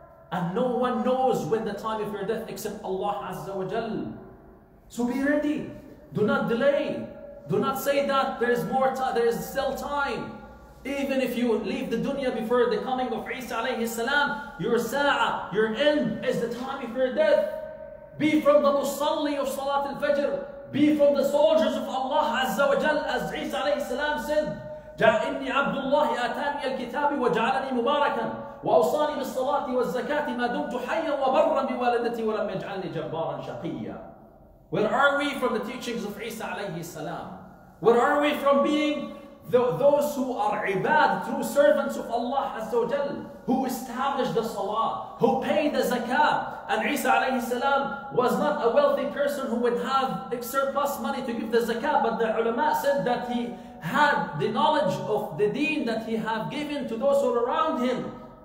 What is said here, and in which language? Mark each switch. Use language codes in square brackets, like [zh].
[en] And no one knows when the time of your death except Allah Azza wa Jal. So be ready. Do not delay. Do not say that there is more time, there is still time. Even if you leave the dunya before the coming of Isa alayhi salam, your sa'ah, your end, is the time of your death. Be from the musalli of Salat al-Fajr. Be from the soldiers of Allah Azza wa Jal, as Isa alayhi salam said, [ar] جَعِنِّي عَبْدُ اللَّهِ آتَانِي الْكِتَابِ وَجَعَلَنِي مُبَارَكًا وَأَوْصَانِي بِالصَّلَاةِ وَالزَّكَاةِ مَا دُمْتُ حَيًّا وَبَرًّا بِوَالِدَتِي وَلَمْ يَجْعَلْنِي جَبَّارًا شَقِيًّا. [en] Where are we from the teachings of Isa alayhi salam? Where are we from being those who are ibad, true servants of Allah Azza wa Jal, who established the salah, who paid the zakah? And Isa alayhi salam was not a wealthy person who would have surplus money to give the zakah, but the ulama said that he had the knowledge of the deen that he had given to those who were around him.